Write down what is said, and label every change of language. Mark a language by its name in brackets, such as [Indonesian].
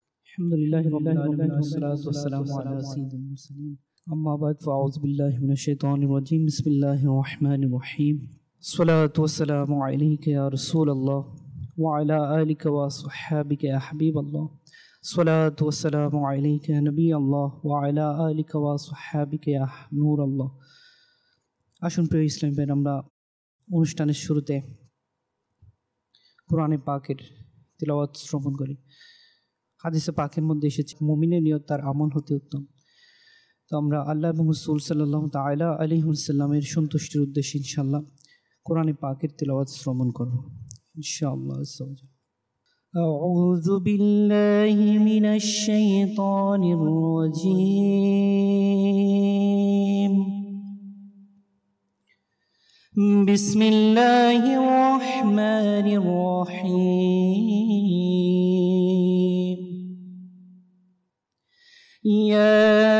[Arabic] আলহামদুলিল্লাহ والصلاه والسلام على سيد المرسلين اما بعد فاعوذ بالله من الشيطان الرجيم بسم الله الرحمن الرحيم والصلاه والسلام عليك يا رسول الله وعلى اليك واصحابك يا حبيب الله والصلاه والسلام عليك يا نبي الله وعلى اليك واصحابك يا نور الله عشان [Bangla] প্রিয় ইসলাম ভাই আমরা অনুষ্ঠানের শুরুতে কোরআন পাকের তেলাওয়াত শ্রবণ করি। হাদিসে পাকের মধ্যে এসেছে মুমিনের নিয়ত তার আমল হতে উত্তম। তো আমরা আল্লাহ এবং রাসূল সাল্লাল্লাহু তাআলা আলাইহি সাল্লামের সন্তুষ্টির উদ্দেশ্যে ইনশাআল্লাহ কোরআনে পাকের তেলাওয়াত শ্রবণ করব ইনশাআল্লাহ। [Arabic] আউযু বিল্লাহি মিনাশ শাইতানির রাজীম, بسم الله الرحمن الرحيم يا